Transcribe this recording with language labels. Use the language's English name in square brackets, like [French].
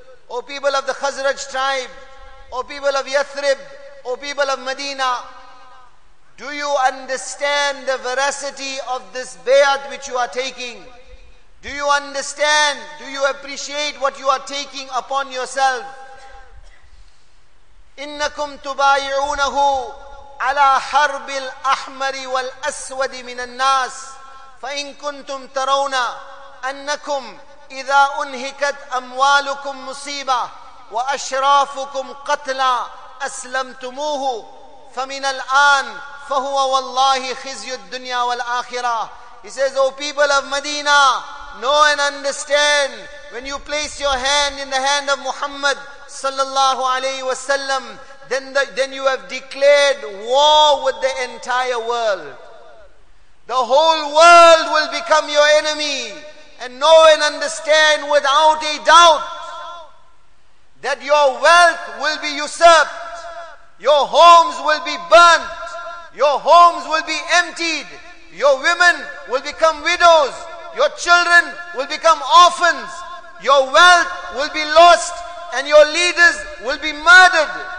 [English] O people of the Khazraj tribe, O people of Yathrib, O people of Medina, do you understand the veracity of this bayat which you are taking? Do you understand, do you appreciate what you are taking upon yourself? [Arabic] إِنَّكُمْ تُبَايِعُونَهُ عَلَىٰ حَرْبِ الْأَحْمَرِ وَالْأَسْوَدِ مِنَ النَّاسِ فَإِن كُنْتُمْ تَرَوْنَ أَنَّكُمْ إِذَا أُنْهِكَتْ أَمْوَالُكُمْ مُصِيبَةً وأشرافكم قتلا أسلمتموه فمن الآن فهو والله خزي الدنيا والآخرة. [English] He says, O people of Medina, know and understand, when you place your hand in the hand of Muhammad sallallahu alayhi wa sallam, then you have declared war with the entire world. The whole world will become your enemy. And know and understand without a doubt that your wealth will be usurped, your homes will be burnt, your homes will be emptied, your women will become widows, your children will become orphans, your wealth will be lost, and your leaders will be murdered.